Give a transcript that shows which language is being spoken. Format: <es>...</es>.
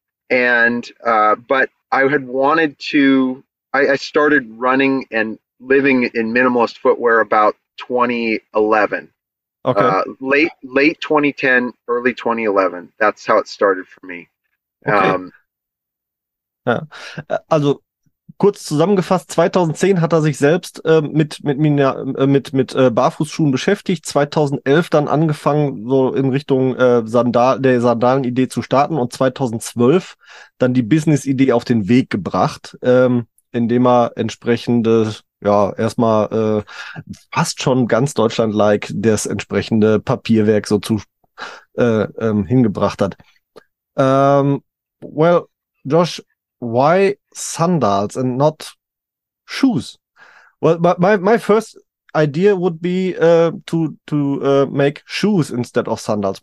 <en>And, but I had wanted to, I started running and living in minimalist footwear about 2011. Okay. Late 2010, early 2011. That's how it started for me. Okay. Ja.</en> <de>Also kurz zusammengefasst, 2010 hat er sich selbst mit Barfußschuhen beschäftigt, 2011 dann angefangen so in Richtung der Sandalenidee zu starten und 2012 dann die Business-Idee auf den Weg gebracht. Indem er entsprechende, ja, erstmal fast schon ganz Deutschland-like das entsprechende Papierwerk so zu hingebracht hat.</de> <en>Well, Josh, why sandals and not shoes? Well, my first idea would be to make shoes instead of sandals.</en>